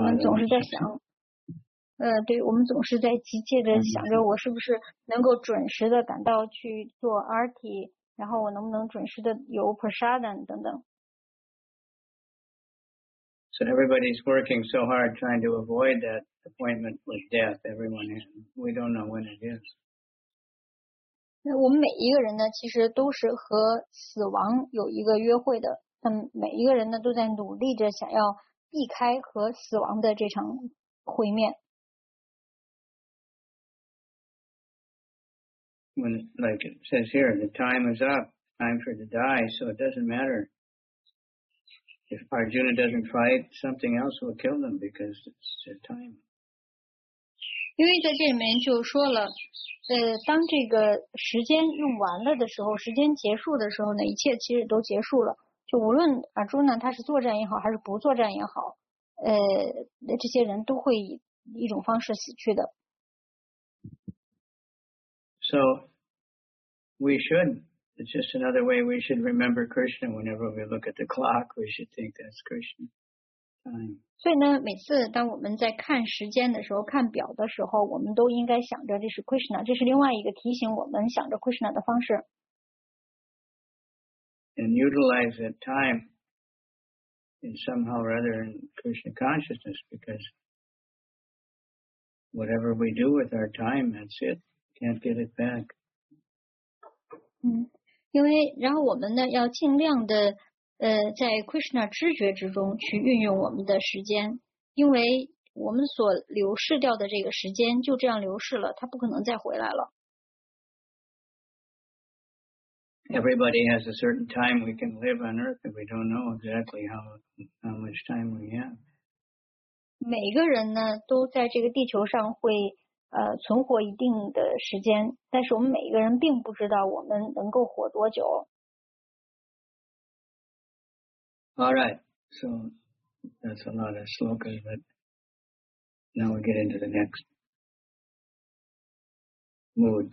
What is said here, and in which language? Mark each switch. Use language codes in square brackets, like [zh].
[zh] 我们总是在想，对，我们总是在急切的想着，我是不是能够准时的赶到去做 RT， 然后我能不能准时的有 prasadam 等等。 [en] So everybody's working so hard trying to avoid that appointment with death. Everyone is. We don't know when it is. [zh] 那我们每一个人呢，其实都是和死亡有一个约会的。他们每一个人呢，都在努力着想要避开和死亡的这场会面。 [en] When like it says here, the time is up, time for to die. So it doesn't matter if Arjuna doesn't fight, something else will kill them because it's the time. [zh] 因为在这里面就说了。当这个时间用完了的时候，时间结束的时候呢，一切其实都结束了。就无论阿朱呢，他是作战也好，还是不作战也好，这些人都会以一种方式死去的。 [en] So we should. It's just another way we should remember Krishna. Whenever we look at the clock, we should think that's Krishna. [zh] 所以呢，每次当我们在看时间的时候，看表的时候，我们都应该想着这是 Krishna， 这是另外一个提醒我们想着 Krishna 的方式。 [en] And utilize that time in somehow or other in Krishna consciousness, because whatever we do with our time, that's it. Can't get it back. [zh] 因为然后我们呢要尽量的。在 Krishna 知觉之中去运用我们的时间，因为我们所流逝掉的这个时间就这样流逝了，它不可能再回来了。 [en] Everybody has a certain time we can live on earth, and we don't know exactly how much time we have. [zh] 每个人呢都在这个地球上会存活一定的时间，但是我们每一个人并不知道我们能够活多久。 [en] All right, so that's a lot of slokas, but now we get into the next mood.